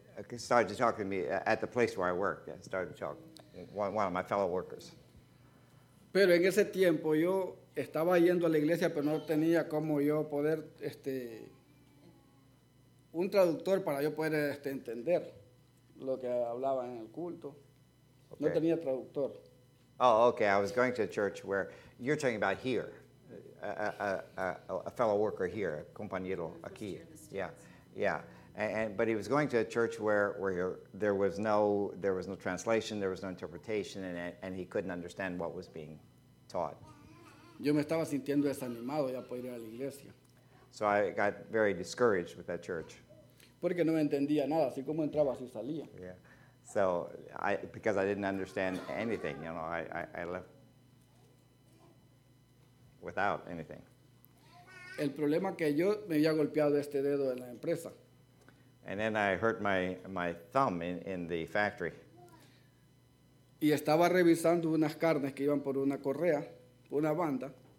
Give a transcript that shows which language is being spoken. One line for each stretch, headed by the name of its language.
English: He started to talk to me at the place where I worked. Yeah, started to talk. One of my fellow workers.
Spanish: Pero en ese tiempo yo estaba yendo a la iglesia, pero no tenía cómo yo poder un traductor para yo poder entender lo que hablaban en el culto. Okay. No tenía traductor.
English: Oh, okay. I was going to a church where you're talking about here, a fellow worker here,
Spanish: compañero aquí.
English: Yeah, yeah. But he was going to a church where there was no translation, there was no interpretation, and he couldn't understand what was being taught.
Spanish: Yo me estaba sintiendo desanimado ya por ir a la iglesia.
English: So I got very discouraged with that church.
Spanish: Porque no entendía nada, así como entraba, así salía.
English: Yeah. So because I didn't understand anything, you know, I left without anything.
Spanish: El problema que yo me había golpeado este dedo en la empresa.
English: And then I hurt my thumb in the factory.
Spanish: Y estaba revisando unas carnes que iban por una correa, por una banda.